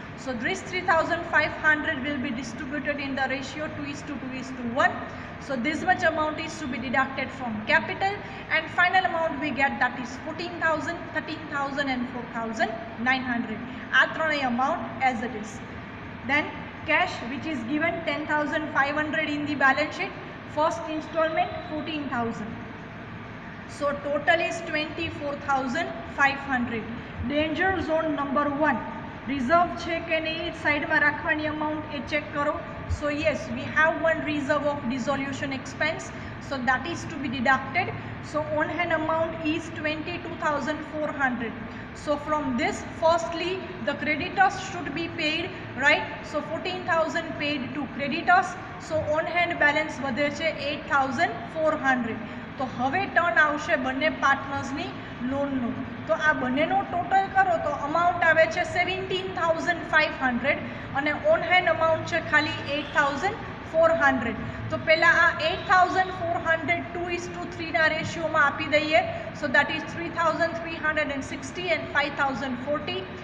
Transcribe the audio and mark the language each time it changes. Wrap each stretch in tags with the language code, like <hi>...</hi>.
<en>So this 3500 will be distributed in the ratio 2:2:1. So this much amount is to be deducted from capital and final amount we get that is 14000, 13000 and 4900.</en> <gu>આ ત્રણેય</gu> <en>Amount as it is. Then cash which is given 10,500 in the balance sheet, first installment 14,000, so total is 24,500. danger zone number 1,</en> <gu>reserve che ke nahi side ma rakhvani amount e check karo.</gu> <en>So yes, we have one reserve of dissolution expense, so that is to be deducted. So on hand amount is 22,400. So from this, firstly the creditors should be paid, right? So 14,000 paid to creditors, so on hand balance</en> <gu>vadhe che</gu> <en>8,400.</en> <gu>To have turn avshe banne partners ni loan no. તો આ બંનેનો total કરો તો amount આવે છે 17,500, અને on hand amount છે ખાલી 8,400. તો પહેલાં આ 8,400 2:3ના રેશિયોમાં આપી દઈએ,</gu> <en>So that is 3,360 and 5,040.</en>